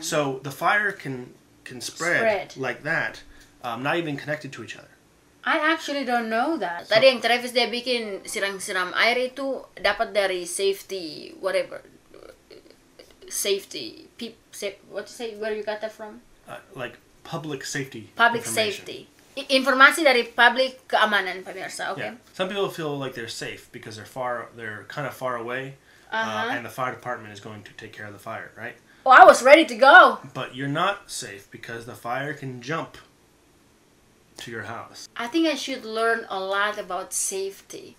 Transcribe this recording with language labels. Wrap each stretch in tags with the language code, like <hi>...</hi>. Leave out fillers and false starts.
<en>So the fire can spread like that, not even connected to each other. I actually don't know that. So,</en> <id>tadi yang Travis dia bikin siram-siram air itu dapat dari safety,</id> <en>whatever.</en> <id>Safety.</id> <en>What do you say? Where you got that from? Public safety. Public safety.</en> <id>Informasi dari public keamanan, pemirsa, okay?</id> <en>Yeah. Some people feel like they're safe because they're far, they're kind of far away, uh-huh. And the fire department is going to take care of the fire, right? Oh, I was ready to go. But you're not safe because the fire can jump to your house. I think I should learn a lot about safety.</en>